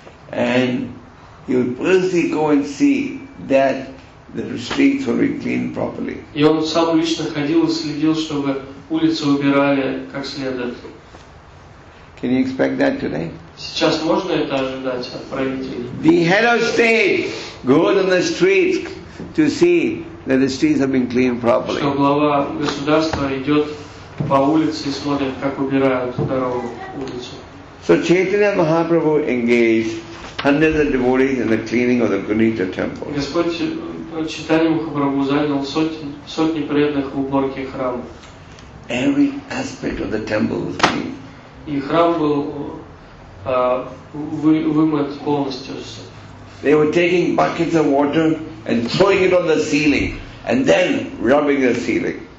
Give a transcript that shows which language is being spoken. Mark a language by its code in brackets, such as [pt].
[en] And he would personally go and see that the streets were cleaned properly. [ru] И он сам лично ходил и следил, чтобы улицы убирали как следует. [en] Can you expect that today? [ru] Сейчас можно это ожидать от правителей? [en] The head of state goes on the streets to see that the streets have been cleaned properly. [ru] Что глава государства идет по улице и смотрит, как убирают дорогу, улицу. [en] So Chaitanya Mahaprabhu engaged hundreds of devotees in the cleaning of the Gunita temple. [ru] Господь Чайтанья Махапрабху занял сотни преданных в уборке храма. [en] Every aspect of the temple was clean. [ru] И храм был вымыт полностью. [en] They were taking buckets of water and throwing it on the ceiling and then rubbing the ceiling.